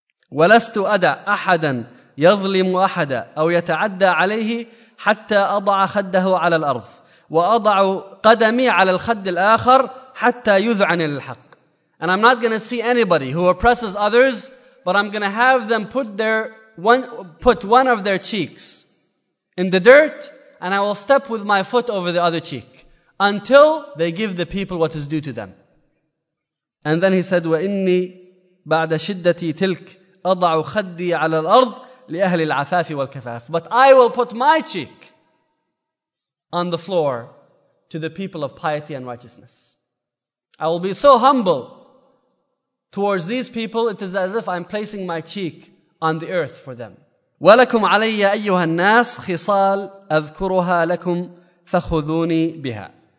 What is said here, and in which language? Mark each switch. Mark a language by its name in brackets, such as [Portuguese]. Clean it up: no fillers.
[Arabic] وَلَسْتُ أَدَى أَحَدًا يَظْلِمُ أَحَدًا أَوْ يَتَعَدَّى عَلَيْهِ حَتَّى أَضَعَ خَدَّهُ عَلَى الْأَرْضِ وَأَضَعُ قَدَمِي عَلَى الْخَدِّ الْآخَرِ حَتَّى يُذْعَنِ الْحَقِّ. [English] And I'm not going to see anybody who oppresses others, but I'm going to have them put one of their cheeks in the dirt, and I will step with my foot over the other cheek until they give the people what is due to them. And then he said, [Arabic] وَإِنِّي بَعْدَ شِدَّتِي تِلْكِ أَضَعُ خَدِّي عَلَى الْأَرْضِ لِأَهْلِ الْعَفَافِ وَالْكَفَافِ. [English] But I will put my cheek on the floor to the people of piety and righteousness. I will be so humble towards these people, it is as if I'm placing my cheek on the earth for them. [Arabic] وَلَكُمْ عَلَيَّ أَيُّهَا النَّاسِ خِصَالٌ أَذْكُرُهَا لَكُمْ فَخُذُونِي بِهَا.